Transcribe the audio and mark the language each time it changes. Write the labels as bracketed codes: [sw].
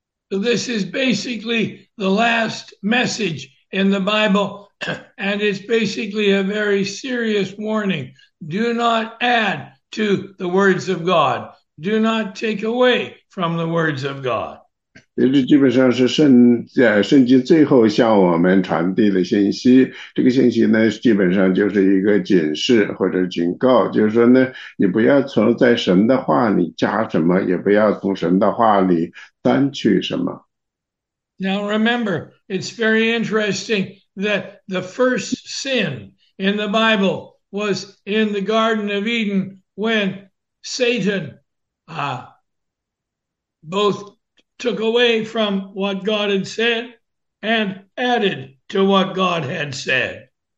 [en] So this is basically the last message in the Bible, and it's basically a very serious warning. Do not add to the words of God. Do not take away from the words of God. [zh] 这基本上是圣，在圣经最后向我们传递的信息。这个信息呢，基本上就是一个警示或者警告，就是说呢，你不要从在神的话里加什么，也不要从神的话里删去什么。 [en] Now remember, it's very interesting that the first sin in the Bible was in the Garden of Eden when Satan both took away from what God had said and added to what God had said.